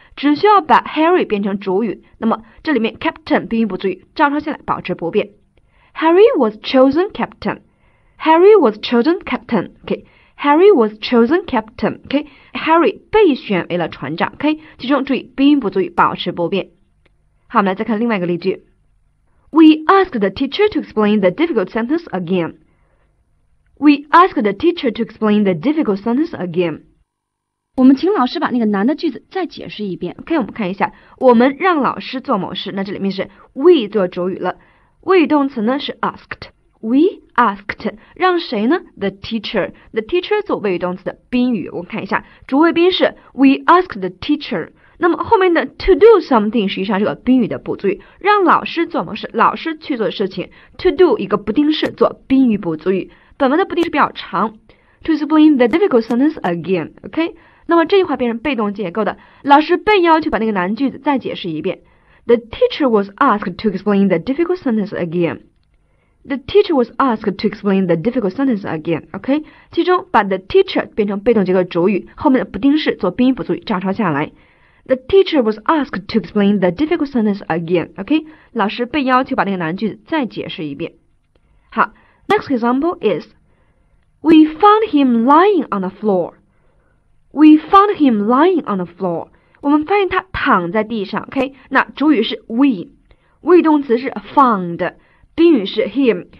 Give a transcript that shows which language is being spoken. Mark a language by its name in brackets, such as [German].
[Chinese] 只需要把 Harry 变成主语，那么这里面 captain 宾语补足语照抄下来保持不变。 [English] Harry was chosen captain. Harry was chosen captain. [Chinese] OK, [English] Harry was chosen captain. [Chinese] OK, Harry 被选为了船长。OK, 其中注意宾语补足语保持不变。好，我们来再看另外一个例句。 [English] We asked the teacher to explain the difficult sentence again. We asked the teacher to explain the difficult sentence again. [Chinese] 我们请老师把那个难的句子再解释一遍。 OK， 我们看一下，我们让老师做某事，那这里面是 we 做主语了，谓语动词呢是 asked， we asked 让谁呢 ？The teacher， the teacher 做谓语动词的宾语。我们看一下，主谓宾是 [English] we asked the teacher， [Chinese] 那么后面的 to do something 实际上是个宾语的补足语，让老师做某事，老师去做事情 ，to do 一个不定式做宾语补足语。本文的不定式比较长 [English] ，to explain the difficult sentence again。OK。 [Chinese] 那么这句话变成被动结构的，老师被要求把那个难句子再解释一遍。 [English] The teacher was asked to explain the difficult sentence again. The teacher was asked to explain the difficult sentence again. [Chinese] OK， 其中把 the teacher 变成被动结构主语，后面的不定式做宾语补足语照抄下来。 [English] The teacher was asked to explain the difficult sentence again. [Chinese] OK， 老师被要求把那个难句子再解释一遍。 [English] 好 ，next example is we found him lying on the floor. We found him lying on the floor. [Chinese] 我们发现他躺在地上 ,OK? 那主语是 we. 谓语动词是 found. 宾语是 him.